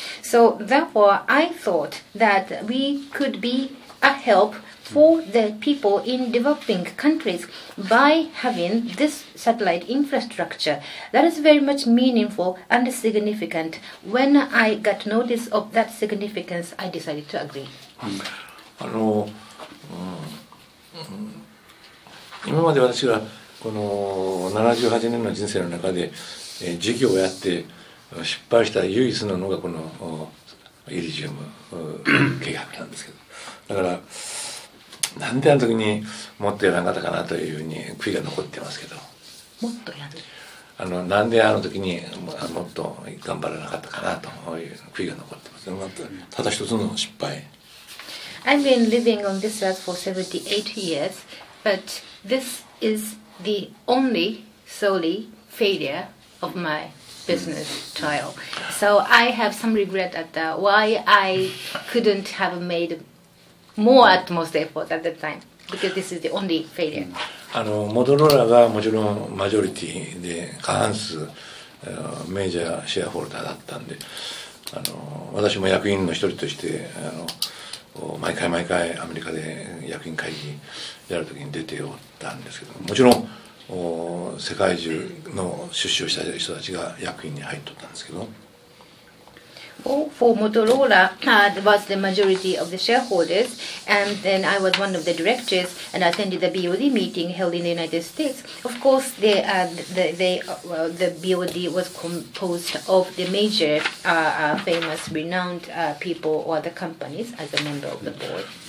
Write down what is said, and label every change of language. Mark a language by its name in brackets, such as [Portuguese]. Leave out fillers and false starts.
[English] So therefore, I thought that we could be a help for the people in developing countries by having this satellite infrastructure. That is very much meaningful and significant. When I got notice of that significance, I decided to agree. Hello. [Japanese] 今まで私がこの78年の人生の中で事業をやって失敗した唯一なのがこのイリジウム計画なんですけど、だからなんであの時にもっとやらなかったかなというふうに悔いが残ってますけど、もっとやらない、なんであの時にもっと頑張らなかったかなという悔いが残ってます。ただ一つの失敗。 [English] I've been living on this earth for 78 years, but this isThe only solely failure of my business trial. So I have some regret at that, why I couldn't have made more utmost effort at that time, because this is the only failure. [Japanese] あのモトローラがもちろんマジョリティで過半数メジャーシェアホルダーだったんで、あの私も役員の一人としてあの毎回毎回アメリカで役員会議やるときに出ておったんですけど、もちろん世界中の出資をした人たちが役員に入っとったんですけど、 [English] Well, for Motorola, was the majority of the shareholders, and then I was one of the directors and attended the BOD meeting held in the United States. Of course, the BOD was composed of the major famous renowned people or the companies as a member of the board.